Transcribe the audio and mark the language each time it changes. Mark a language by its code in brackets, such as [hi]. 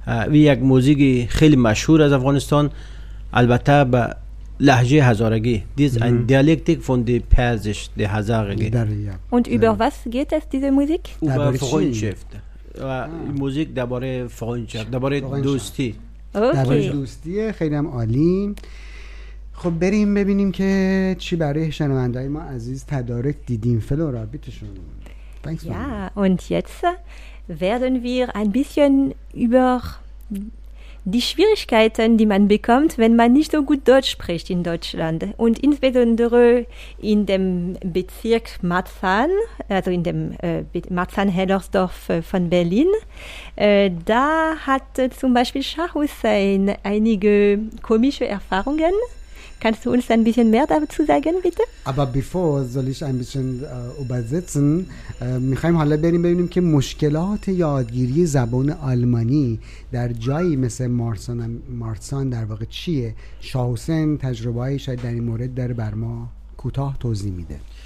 [de] Wie eine Musik, die sehr berühmt ist aus Afghanistan, aber Lahje Hazaragi. Die ist ein Dialektik von der Persisch, der Hazaragi. Und über was geht es, diese Musik? Über Freundschaft. Musik, da war Freundschaft, da war Dosti. Okay. [fa] دوستی خیلی هم عالی. خب بریم ببینیم که چی برای شنوندهای ما عزیز تدارک دیدیم. فلورا [de] بیتشون. یا und jetzt werden wir ein bisschen über die Schwierigkeiten, die man bekommt, wenn man nicht so gut Deutsch spricht in Deutschland und insbesondere in dem Bezirk Marzahn, also in dem Marzahn-Hellersdorf von Berlin. Da hat zum Beispiel Shah Hussein einige komische Erfahrungen. Kannst du uns ein bisschen mehr dazu sagen, bitte? Aber bevor soll ich ein bisschen übersetzen, [fa] میخوایم حالا بریم ببینیم که مشکلات یادگیری زبان آلمانی در جایی مثل مارسان در واقع چیه؟ شاه حسین تجربه هایش در این مورد داره بر ما کوتاه توضیح میده.